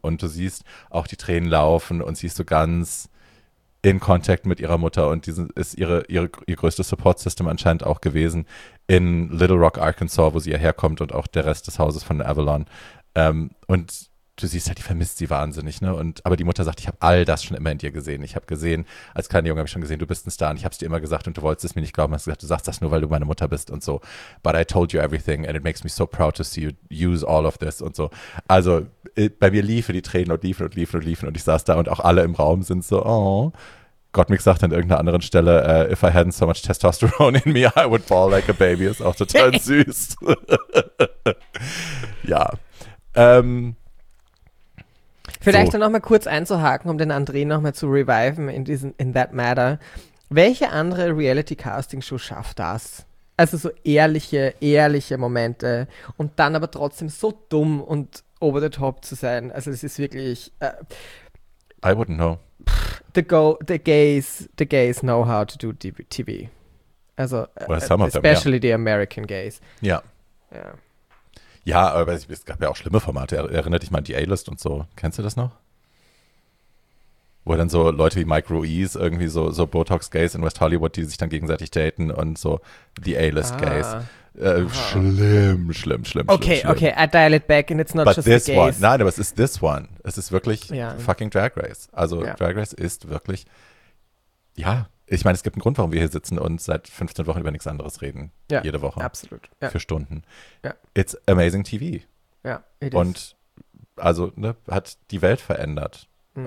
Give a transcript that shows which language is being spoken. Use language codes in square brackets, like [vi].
[de] Und du siehst auch die Tränen laufen und siehst so ganz in Kontakt mit ihrer Mutter, und diesen ist ihr größtes Support System anscheinend auch gewesen in Little Rock, Arkansas, wo sie ja herkommt, und auch der Rest des Hauses von Avalon. Und du siehst halt, die vermisst sie wahnsinnig, ne? Und aber die Mutter sagt, ich habe all das schon immer in dir gesehen. Ich habe gesehen, als kleiner Junge habe ich schon gesehen, du bist ein Star, und ich habe es dir immer gesagt und du wolltest es mir nicht glauben. Hast gesagt, du sagst das nur, weil du meine Mutter bist und so. [en] But I told you everything and it makes me so proud to see you use all of this [de] und so. Also bei mir liefen die Tränen und liefen und liefen und liefen, und ich saß da und auch alle im Raum sind so, oh. [en] Gottmik [de] sagt an irgendeiner anderen Stelle, [en] if I hadn't so much testosterone in me, I would fall like a baby. [de] Ist auch total süß. Ja. Vielleicht so, dann nochmal kurz einzuhaken, um den André nochmal zu reviven [en] in that matter. [de] Welche andere Reality-Casting-Show schafft das? Also so ehrliche Momente und dann aber trotzdem so dumm und [en] over the top [de] zu sein. Also es ist wirklich... [en] I wouldn't know. The gays know how to do TV. Also, especially them, the American gays. [de] Ja. Ja, aber es gab ja auch schlimme Formate. Erinnert dich mal an die A-List und so. Kennst du das noch? Wo dann so Leute wie Mike Ruiz irgendwie so Botox-Gays in West Hollywood, die sich dann gegenseitig daten und so the A-List-Gays. Schlimm. [en] Okay, I dial it back and it's not but just this the gays. One. [de] Nein, aber es ist [en] this one. [de] Es ist wirklich fucking Drag Race. Also Drag Race ist wirklich, ja, ich meine, es gibt einen Grund, warum wir hier sitzen und seit 15 Wochen über nichts anderes reden. Ja, jede Woche. Absolut. Ja. Für Stunden. Ja. [en] It's amazing TV. [de] Ja, [en] it is. [de] Und also, ne, hat die Welt verändert. Mhm.